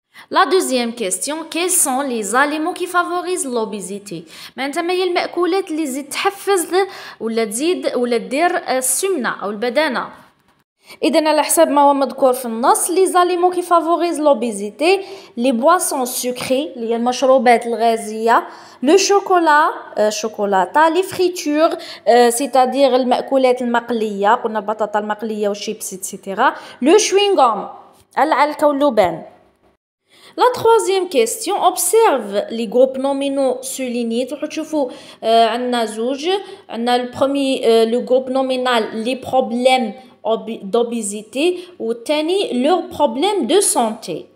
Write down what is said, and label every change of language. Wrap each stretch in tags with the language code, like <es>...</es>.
<fr>La deuxième question: quels sont les aliments qui favorisent l'obésité?</fr> <ar>معناتها هي المأكولات اللي تحفز ولا تزيد ولا تدير السمنة أو البدانة. إذن على حسب ما هو مذكور في النص،</ar> <fr>les aliments qui favorisent l'obésité, les boissons sucrées,</fr> <ar>اللي هي المشروبات الغازية،</ar> <fr>le chocolat,</fr> <ar>الشوكولاتة،</ar> <fr>les fritures, c'est-à-dire</fr> <ar>المأكولات المقلية، قلنا البطاطا المقلية والشيبس etc.</ar> <fr>le chewing gum,</fr> <ar>العلكة واللبان.</ar> <fr>La troisième question, observe les groupes nominaux soulignés.</fr> <ar>عندنا</ar> <fr>le premier, le groupe nominal, les problèmes d'obésité ou tenir leurs problèmes de santé.</fr>